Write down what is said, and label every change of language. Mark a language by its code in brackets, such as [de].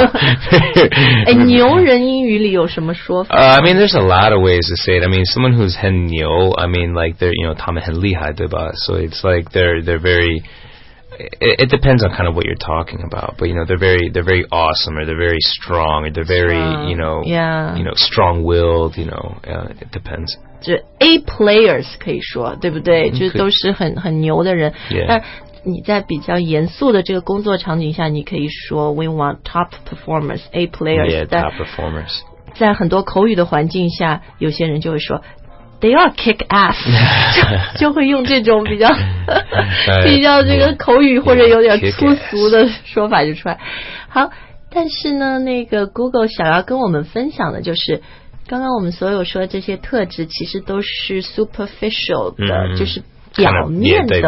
[zh] 哎牛人英语里有什么说法、 [en] I mean there's a lot of ways to say it I mean someone who's [zh] 很牛 [en] I mean like they're you know [zh] 他们很厉害对吧 [en] so it's like they're veryIt depends on kind of what you're talking about, but you know they're very awesome or they're very strong or they're very you know you know strong-willed. You know, it depends. [zh] 就 A players 可以说对不对？就都是很牛的人。 [en] Yeah. [zh] 那你在比较严肃的这个工作场景下，你可以说 [en] We want top performers, A players. Yeah, top performers. [zh] 在很多口语的环境下，有些人就会说。 [en] They are kick ass [zh] 就会用这种比较比较这个口语或者有点粗俗的说法就出来好但是呢那个 Google 想要跟我们分享的就是刚刚我们所有说的这些特质其实都是 superficial 的、就是表面的